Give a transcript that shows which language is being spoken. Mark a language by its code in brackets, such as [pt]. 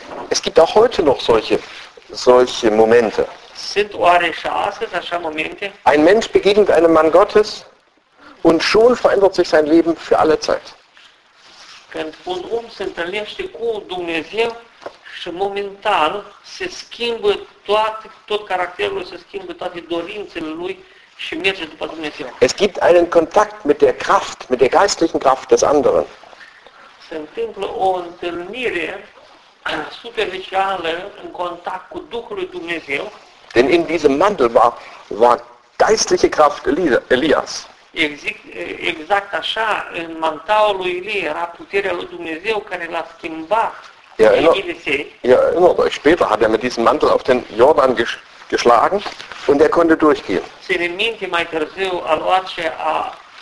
[de] Es gibt auch heute noch solche Momente. [ro] Sind oare și astăzi așa momente? [de] Ein Mensch begegnet einem Mann Gottes und schon verändert sich sein Leben für alle Zeit. [ro] Când un om se întâlnește cu Dumnezeu și momentan se schimbă tot caracterul, se schimbă toate dorințele lui și merge după Dumnezeu. [de] Es gibt einen Kontakt mit der Kraft, mit der geistlichen Kraft des anderen. [ro] Se întâmplă o întâlnire superficială în contact cu Duhul lui Dumnezeu. [de] Denn in diesem Mantel war geistliche Kraft Elias. [ro] Exact așa, în mantaua lui Elie era puterea lui Dumnezeu care l-a schimbat. [de] Erinnert euch, später hat mit diesem Mantel auf den Jordan geschlagen und konnte durchgehen. [ro] Ține minte, mai târziu a luat și a